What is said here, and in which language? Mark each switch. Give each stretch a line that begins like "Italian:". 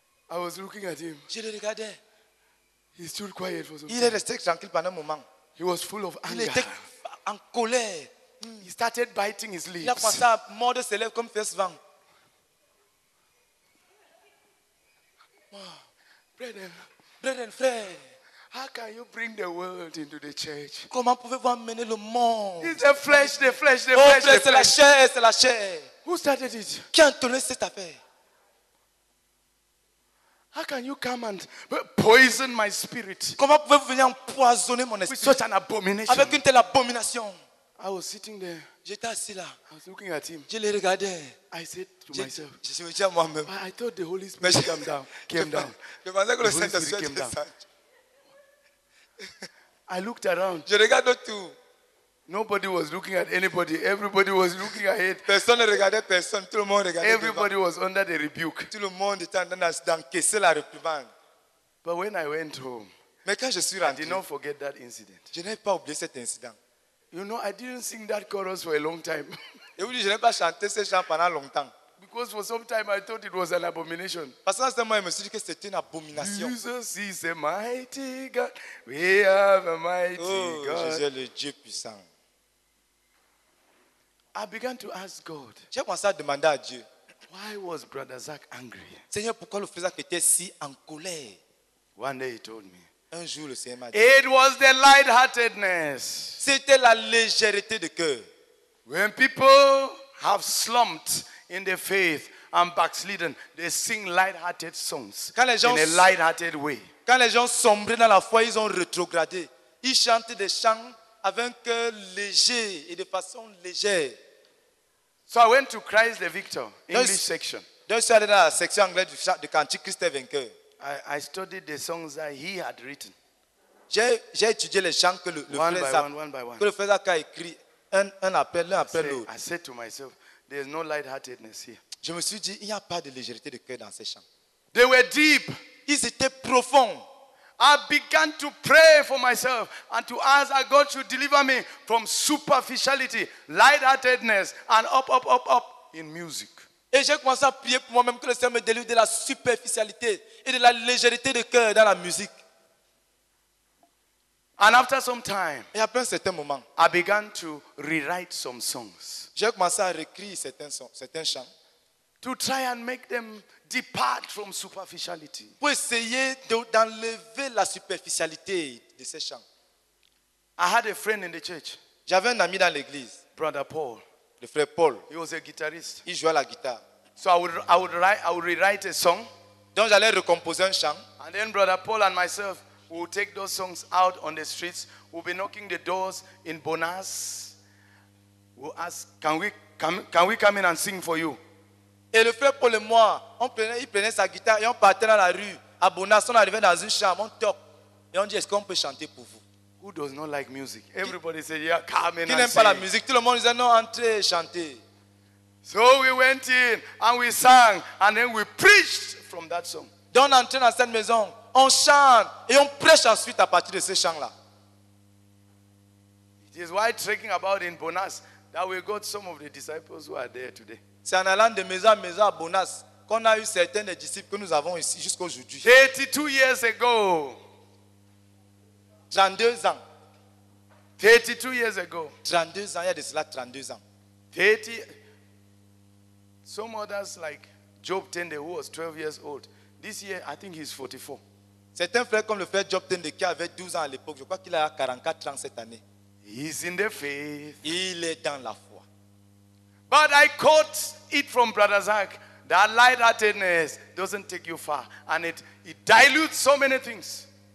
English: I was looking at him.
French: Je le regardais.
English: He stood quiet for some time.
French: Il est resté tranquille pendant un moment.
English: He was full of anger.
French: Il était en colère.
English: He started biting his lips.
French: Il a commencé à mordre ses lèvres comme fesse vent.
English: Brethren, how can you bring the world into the church?
French: Comment pouvez-vous amener le monde?
English: It's the flesh.
French: Oh, c'est la chair.
English: Who started it?
French: Qui a entonné cette affaire?
English: How can you come and poison my spirit?
French: Comment pouvez-vous venir empoisonner mon esprit?
English: With such an abomination.
French: Avec une telle abomination.
English: I was sitting there.
French: J'étais assis là.
English: I was looking at him.
French: Je le regardais.
English: I said to myself.
French: Je me disais moi-même.
English: I thought the Holy Spirit came down.
French: Je pensais que le Saint-Esprit
English: came down. I looked around.
French: Je regarde autour.
English: Nobody was looking at anybody. Everybody was looking ahead.
French: Personne ne regardait personne. Tout le monde regardait.
English: Everybody was under the rebuke.
French: Tout le monde était en train d'encaisser la réprimande.
English: But when I went home,
French: mais quand je suis rentré,
English: I did not forget that incident.
French: Je n'ai pas oublié cet incident.
English: You know, I didn't sing that chorus for a long time.
French: Je n'ai pas chanté ce chant pendant longtemps.
English: Because for some time I thought it was an abomination.
French: Parce que moi, je me suis dit que c'était une abomination.
English: Jesus is a mighty God. We have a mighty God.
French: Jésus est le Dieu puissant.
English: I began to ask God.
French: J'ai commencé à demander à Dieu.
English: Why was Brother Zach angry?
French: Seigneur, pourquoi le frère Zach était si en colère?
English: One day he told me.
French: Un jour, le Seigneur m'a dit.
English: It was the lightheartedness.
French: C'était la légèreté de cœur.
English: When people have slumped in the faith and backslidden, they sing lighthearted songs.
French: Quand les gens
English: in a lighthearted way.
French: Quand les gens sombrés dans la foi, ils ont rétrogradé. Ils chantent des chants avec un cœur léger et de façon légère.
English: So I went to Christ the Victor, English section.
French: Donc je suis allé dans la section anglaise du cantique Christ est vainqueur.
English: I studied the songs that he had written.
French: J'ai étudié les chants que le frère Zach a écrit un après l'autre.
English: I said to myself, there is no lightheartedness here.
French: Je me suis dit, il n'y a pas de légèreté de cœur dans ces chants.
English: They were deep.
French: Ils étaient profonds.
English: I began to pray for myself and to ask that God should deliver me from superficiality, lightheartedness, and up in music.
French: Et j'ai commencé à prier pour moi-même que le Seigneur me délivre de la superficialité et de la légèreté de cœur dans la musique.
English: And after some time,
French: et après un certain moment,
English: I began to rewrite some songs.
French: J'ai commencé à réécrire certains chants.
English: To try and make them depart from superficiality.
French: Pour essayer d'enlever la superficialité de ces chants.
English: I had a friend in the church.
French: J'avais un ami dans l'église.
English: Brother Paul.
French: Le frère Paul.
English: He was a guitarist.
French: Il jouait la guitare.
English: So I would rewrite a song.
French: Donc j'allais recomposer un chant.
English: And then Brother Paul and myself would take those songs out on the streets. We'll be knocking the doors in Bonas. We'll ask, can we come in and sing for you?
French: Et le frère Paul et moi, il prenait sa guitare et on partait dans la rue à Bonas. On arrivait dans une chambre, on toque et on dit, est-ce qu'on peut chanter pour vous?
English: Who does not like music? Everybody said, yeah, come in.
French: Qui n'aime pas la musique? Tout le monde disait, non, entrez, chantez.
English: So we went in and we sang and then we preached from that song.
French: Donc on entrait dans cette maison, on chante et on prêche ensuite à partir de ce chant-là.
English: It is why trekking about in Bonas that we got some of the disciples who are there today.
French: C'est en allant de maison en maison à Bonas qu'on a eu certains des disciples que nous avons ici jusqu'à aujourd'hui.
English: 32 years ago.
French: 32 ans.
English: 32 years ago.
French: 32 ans, il y a de cela 32 ans.
English: 30. Some others like Job Tende who was 12 years old. This year, I think he's 44.
French: C'est un frère comme le frère Job Tende qui avait 12 ans à l'époque. Je crois qu'il a 44 ans cette année.
English: He's in the faith.
French: Il est dans la foi.
English: But I caught it from Brother Zach. That light-heartedness doesn't take you far. And it dilutes so many things.